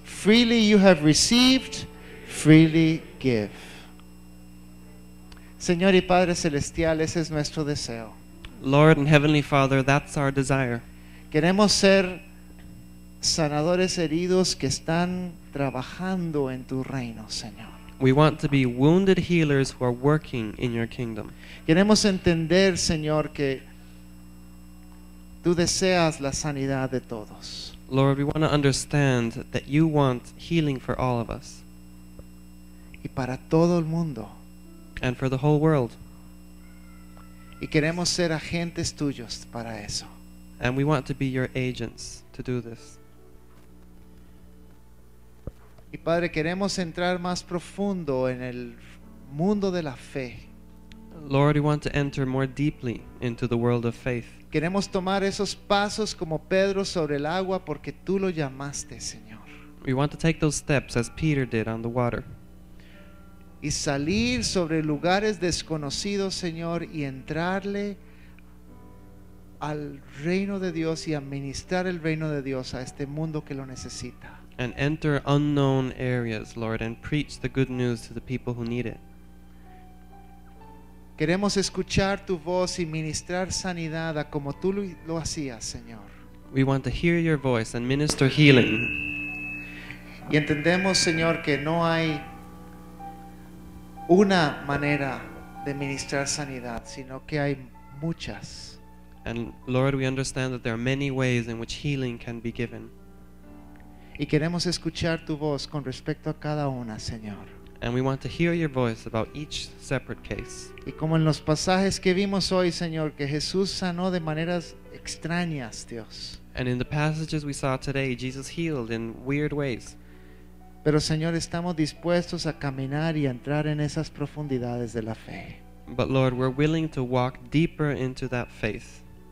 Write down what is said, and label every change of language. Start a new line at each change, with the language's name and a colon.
English: Freely you have received, freely give.
Spanish: Señor y Padre Celestial, ese es nuestro deseo.
English: Lord and Heavenly Father, that's our desire.
Spanish: Queremos ser sanadores heridos que están trabajando en tu reino, Señor.
English: We want to be wounded healers who are working in your kingdom.
Spanish: Queremos entender, Señor, que tú deseas la sanidad de todos.
English: Lord, we want to understand that you want healing for all of us.
Spanish: Y para todo el mundo.
English: And for the whole world.
Spanish: Y queremos ser agentes tuyos para eso.
English: And we want to be your agents to do this.
Spanish: Y Padre, queremos entrar más profundo en el mundo de la fe.
English: Lord, we want to enter more deeply into the world of faith.
Spanish: Queremos tomar esos pasos como Pedro sobre el agua porque tú lo llamaste, Señor.
English: We want to take those steps as Peter did on the water.
Spanish: Y salir sobre lugares desconocidos, Señor, y entrarle al reino de Dios y administrar el reino de Dios a este mundo que lo necesita.
English: And enter unknown areas, Lord, and preach the good news to the people who need it.
Spanish: Queremos escuchar tu voz y ministrar sanidad a como tú lo hacías, Señor.
English: We want to hear your voice and minister healing.
Spanish: Y entendemos, Señor, que no hay una manera de ministrar sanidad, sino que hay muchas.
English: And Lord, we understand that there are many ways in which healing can be given.
Spanish: Y queremos escuchar tu voz con respecto a cada una, Señor.
English: And we want to hear your voice about each separate case.
Spanish: Y como en los pasajes que vimos hoy, Señor, que Jesús sanó de maneras extrañas, Dios.
English: And in the passages we saw today, Jesus healed in weird ways.
Spanish: Pero, Señor, estamos dispuestos a caminar y a entrar en esas profundidades de la fe.
English: But Lord, we're willing to walk deeper into that faith.